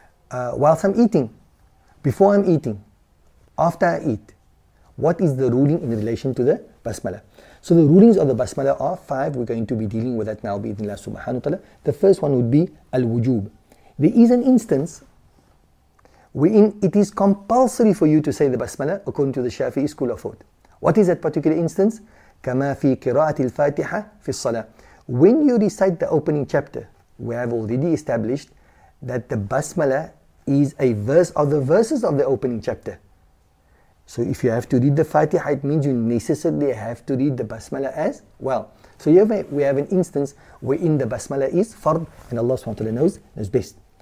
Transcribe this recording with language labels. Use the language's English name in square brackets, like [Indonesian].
[English] Whilst I'm eating, before I'm eating, after I eat, what is the ruling in relation to the basmala? So the rulings of the basmala are five. We're going to be dealing with that now, bi-idhnillah subhanahu wa ta'ala. The first one would be al-wujub. There is an instance wherein it is compulsory for you to say the basmala according to the Shafi'i school of thought. What is that particular instance? [Arabic] كما في قراءة الفاتحة في الصلاة. [English] When you recite the opening chapter, we have already established that the basmala is a verse of the verses of the opening chapter. So if you have to read the Fatiha, it means you necessarily have to read the basmala as well. So here we have an instance wherein the basmala is fard, and Allah subhanahu wa ta'ala knows best.